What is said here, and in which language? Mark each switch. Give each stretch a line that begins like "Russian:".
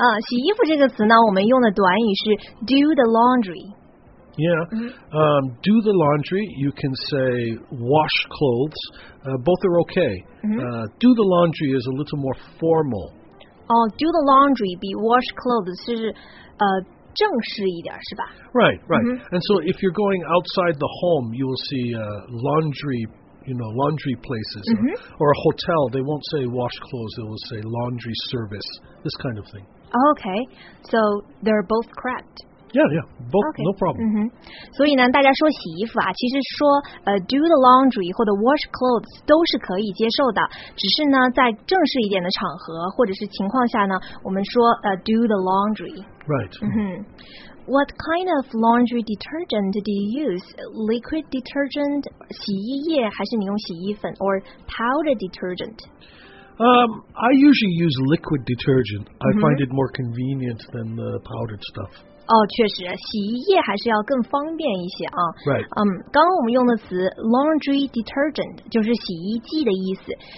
Chinese: 洗衣服这个词呢，我们用的短语是
English: do the laundry. Yeah, do the laundry, you can say wash clothes. Both are okay. Do the laundry is a little more formal. Do the laundry, be wash clothes,
Chinese: 是正式一点是吧
English: Right, right.、Mm-hmm. And so if you're going outside the home, you will see laundry, you know, laundry places、mm-hmm. or a hotel. They won't say wash clothes, they will say laundry service, this kind of thing. Okay, so they're both correct. Yeah, yeah, both,、okay. no problem.、 Mm-hmm.
Chinese: 所以呢大家说洗衣服啊其实说
English: do the laundry
Chinese: 或者
English: wash clothes
Chinese: 都是可以接受的。只是呢在正式一点的场合或者是情况下呢我们说
English: do the laundry. Right.、 Mm-hmm. What kind of laundry detergent do you use? Liquid detergent,
Chinese: 洗衣液还是你用洗衣粉
English: or powder detergent? I usually use liquid detergent. I、mm-hmm. find it more convenient than the powdered stuff.
Chinese: 确实洗衣液还是要更方便一些啊。
English: Right.
Chinese: 刚刚我们用的词
English: laundry detergent,
Chinese: 就是洗衣剂的意思。